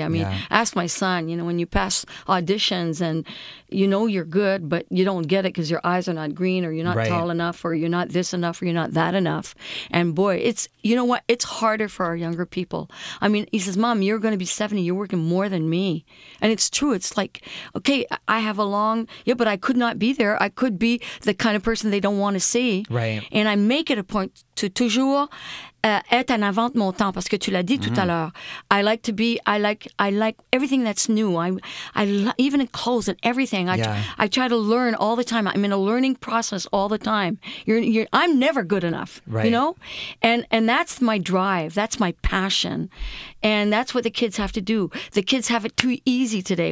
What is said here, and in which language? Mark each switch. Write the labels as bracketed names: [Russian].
[English] I mean, ask my son. You know, when you pass auditions and you know you're good, but you don't get it because your eyes are not green, or you're not tall enough, or you're not this enough, or you're not that enough. And boy, it's, you know what? It's harder for our younger people. I mean, he says, Mom, you're going to be 70. You're working more than me. And it's true. It's like, okay, I have a long, but I could not be there. I could be the kind of person they don't want to see. Right. And I make it a point to [French] toujours être en avant mon temps, parce que tu l'as dit tout à l'heure. [English] I like everything that's new. Even in clothes and everything. I try to learn all the time. I'm in a learning process all the time. I'm never good enough, you know? And that's my drive. That's my passion. And that's what the kids have to do. The kids have it too easy today.